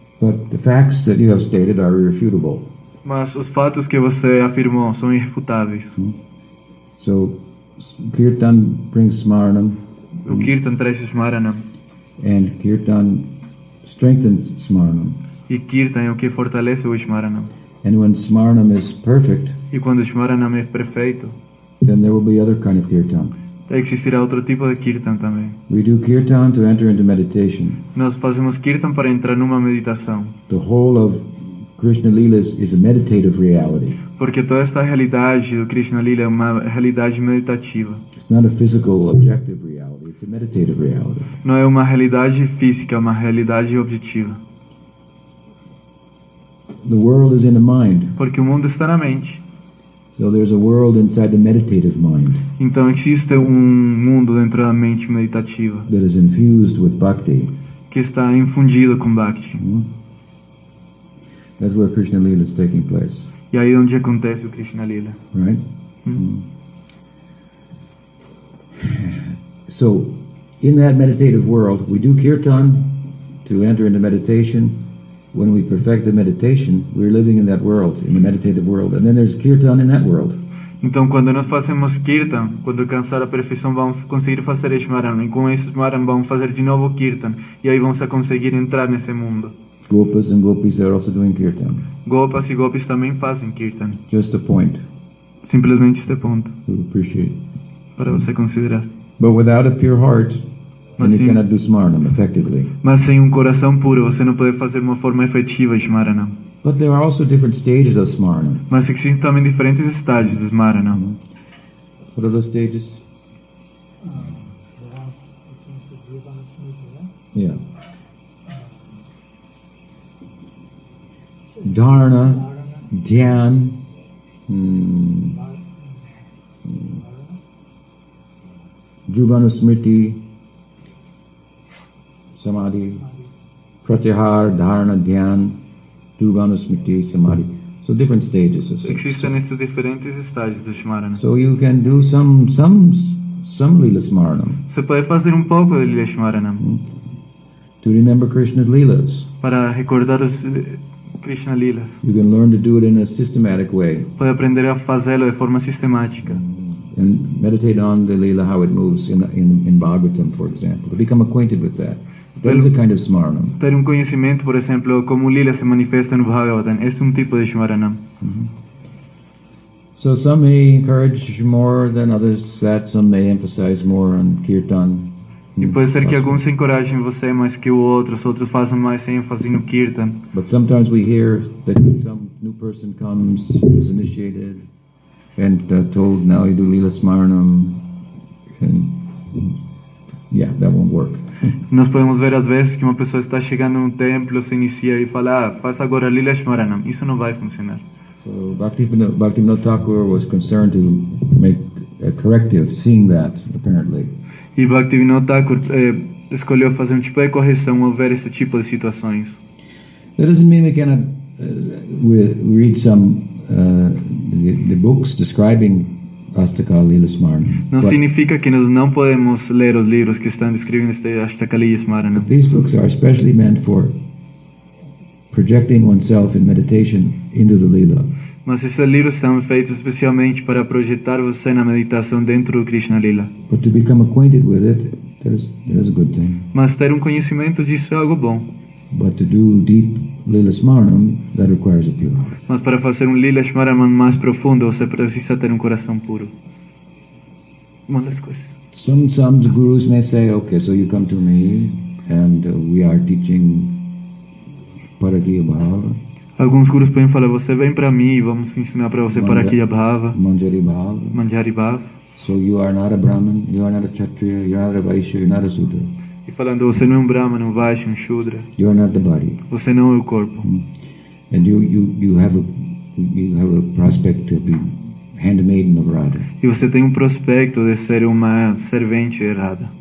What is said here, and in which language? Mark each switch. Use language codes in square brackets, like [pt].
[en] But the facts that you have stated are irrefutable. [pt] Mas os fatos que você afirmou são irrefutáveis. Mm-hmm. [en] So, Kirtan brings smaranam. [pt] O Kirtan traz smaranam. [en] And Kirtan strengthens smaranam. [pt] E Kirtan é o que fortalece o smaranam. [en] And when smaranam is perfect. [pt] E quando o smaranam é perfeito. [en] Then there will be other kind of kirtan. [pt] Existirá outro tipo de kirtan também. [en] We do kirtan to enter into meditation. [pt] Nós fazemos kirtan para entrar numa meditação. [en] The whole of Krishna Lila is a meditative reality. [pt] Porque toda esta realidade do Krishna Lila é uma realidade meditativa. [en] It's not a physical objective reality, it's a meditative reality. [pt] Não é uma realidade física, é uma realidade objetiva. [en] The world is in the mind. [pt] Porque o mundo está na mente. [en] So there's a world inside the meditative mind. [pt] Então existe mundo dentro da mente meditativa. [en] That is infused with bhakti. [pt] Que está infundido com bhakti. Mm-hmm. [en] That's where Krishna Lila is taking place. [pt] E aí onde acontece o Krishna Lila? [en] Right. Mm-hmm. So, in that meditative world, we do kirtan to enter into meditation. When we perfect the meditation, we're living in that world, in the meditative world, and then there's kirtan in that world. [pt] Então, quando nós fazemos kirtan, quando alcançar a perfeição, vamos conseguir fazer smaranam, e com esse smaranam vamos fazer de novo kirtan, e aí vamos conseguir entrar nesse mundo. [en] Gopas and gopis are also doing kirtan. [pt] Gopas e gopis também fazem kirtan. [en] Just a point. [pt] Simplesmente este ponto. [en] To appreciate. [pt] Para você considerar. [en] But without a pure heart. And you cannot do smaranam effectively. [pt] Mas sem coração puro, você não pode fazer uma forma efetiva de smaranam. [en] But there are also different stages of smaranam. [pt] Mas existem também diferentes estágios de smaranam. Mm-hmm. [en] What are those stages? Yeah. Dharana, dhyan, jivanusmriti, samadhi, pratyahar, dharana, dhyan, dhruvana, smriti, samadhi. So different stages of [pt] existem nesses diferentes estágios do smaranam. [en] So you can do some lila smaranam. [pt] Você pode fazer pouco de lila smaranam. Mm-hmm. [en] To remember Krishna's lilas. [pt] Para recordar os Krishna lilas. [en] You can learn to do it in a systematic way. [pt] Pode aprender a fazê-lo de forma sistemática. [en] And meditate on the lila, how it moves in Bhagavatam, for example, to become acquainted with that. That is a kind of smaranam. [pt] Ter conhecimento, por exemplo, como lila se manifesta no Bhagavatam, é tipo de smaranam. Mm-hmm. [en] So some may encourage more than others that, some may emphasize more on kirtan. [pt] E pode ser que alguns se encorajem você mais que o outro, os outros façam mais ênfase no kirtan. [en] But sometimes we hear that some new person comes, is initiated, and told now you do lila smaranam, and yeah, that won't work. [pt] Nós podemos ver às vezes que uma pessoa está chegando num templo, se inicia e fala, ah, faz agora lila smaranam, isso não vai funcionar. [en] So Bhaktivinoda Thakur was concerned to make a corrective, seeing that apparently. [pt] E Bhaktivinoda Thakur escolheu fazer um tipo de correção ao ver esse tipo de situações. [en] That doesn't mean we cannot read some the books describing Ashtaka Lila Smaranam. [pt] Não significa que nós não podemos ler os livros que estão descrevendo este Ashtaka Lila Smaranam. [en] These books are especially meant for projecting oneself in meditation into the lila. [pt] Mas esses livros são feitos especialmente para projetar você na meditação dentro do Krishna Lila. [en] But to become acquainted with it, that is a good thing. [pt] Mas ter um conhecimento disso é algo bom. [en] But to do deep lila smaranam, that requires a pure heart. [pt] Mas para fazer um lila smaranam mais profundo, você precisa ter um coração puro. Uma das coisas. [en] Some gurus may say, okay, so you come to me and we are teaching para aqui Bhava. [pt] Alguns gurus podem falar, você vem para mim e vamos ensinar para você Parakiya Bhava. [sa] Manjari Bhava. Manjari Bhava. [en] So you are not a Brahman, you are not a Kshatriya, you are not a Vaishya, you are not a Sudra. [pt] E falando, você não é um Brahman, um Vaishya, um Shudra. [en] You are not the body. [pt] Você não é o corpo. [en] And you have a prospect to be handmaiden of Radha. [pt] E você tem um prospecto de ser uma servente de Radha.